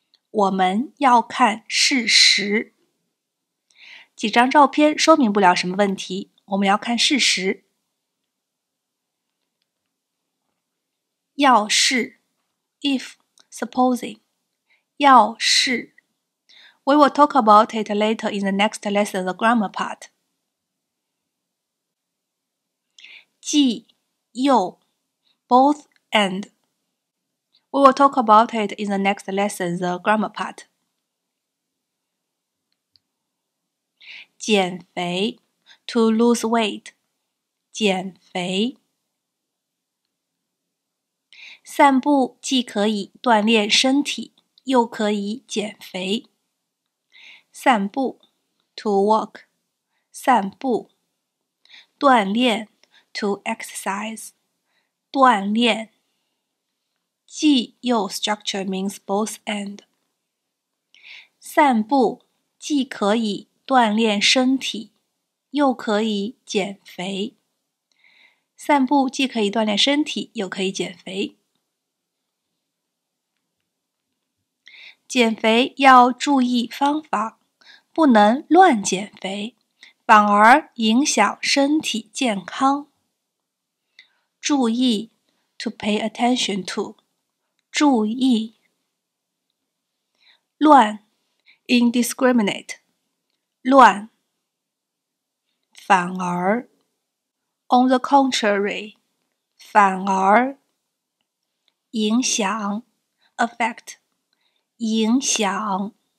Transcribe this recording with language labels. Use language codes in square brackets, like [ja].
[zh] 我们要看事实。几张照片说明不了什么问题，我们要看事实。要是 , [en] if, supposing, [zh] 要是。 [en] We will talk about it later in the next lesson, the grammar part. 既又 ,both and. We will talk about it in the next lesson, the grammar part. 减肥 to lose weight. [zh] 减肥。散步既可以锻炼身体，又可以减肥。散步 [en] to walk. [zh] 散步。 [en] 锻炼 to exercise. [zh] 锻炼。 [en] 既又 structure means both and. [zh] 散步既可以锻炼身体，又可以减肥。散步既可以锻炼身体，又可以减肥。减肥要注意方法，不能乱减肥，反而影响身体健康。 [en] 注意 to pay attention to. [zh] 注意乱 indiscriminate 乱反而 [en] on the contrary [zh] 反而影响 affect 影响